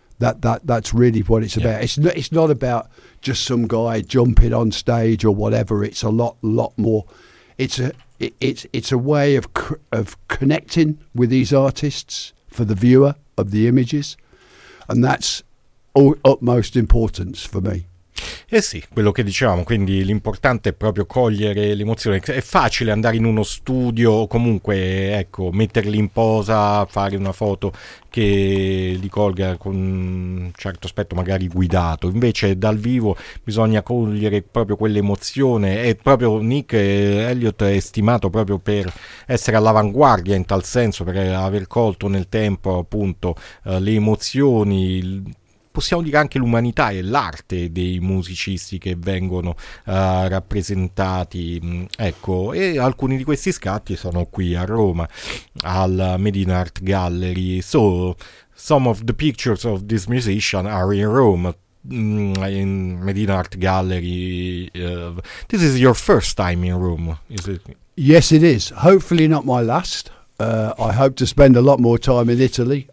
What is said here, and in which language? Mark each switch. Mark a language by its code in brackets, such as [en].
[en] That's really what it's about. It's not about just some guy jumping on stage or whatever. It's a lot more. It's a way of connecting with these artists for the viewer of the images, and that's all utmost importance for me. [it] Eh sì, quello che dicevamo, quindi l'importante è proprio cogliere l'emozione. È facile andare in uno studio, comunque, ecco, metterli in posa, fare una foto che li colga con un certo aspetto magari guidato. Invece dal vivo bisogna cogliere proprio quell'emozione. E proprio Nick Elliott è stimato proprio per essere all'avanguardia in tal senso, per aver colto nel tempo appunto le emozioni, possiamo dire anche l'umanità e l'arte dei musicisti che vengono rappresentati, ecco, e alcuni di questi scatti sono qui a Roma al Medina Art Gallery. [en] So some of the pictures of this musician are in Rome in Medina Art Gallery. This is your first time in Rome, is it? Yes, it is. Hopefully not my last. I hope to spend a lot more time in Italy.